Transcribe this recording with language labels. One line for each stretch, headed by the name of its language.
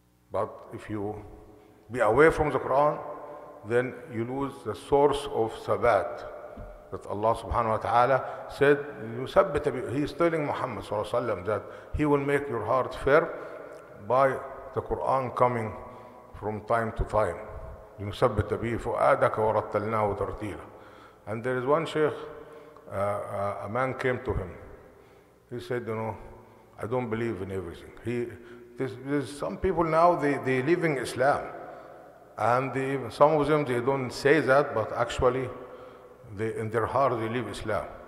English: But if you be away from the Quran, then you lose the source of sabat that Allah subhanahu wa ta'ala said,
Arabic: يُثَبِّتَ بِهِ.
English: He is telling Muhammad sallallahu alayhi wa sallam that he will make your heart firm by the Quran coming from time to time.
Arabic: يُثَبِّتَ بِهِ فُؤَادَكَ وَرَتَّلْنَاهُ تَرْتِيلًا.
English: And there is one sheikh, a man came to him. He said, you know, I don't believe in everything. There's some people now, they live in Islam. And some of them, they don't say that, but actually, they, in their heart, they live Islam.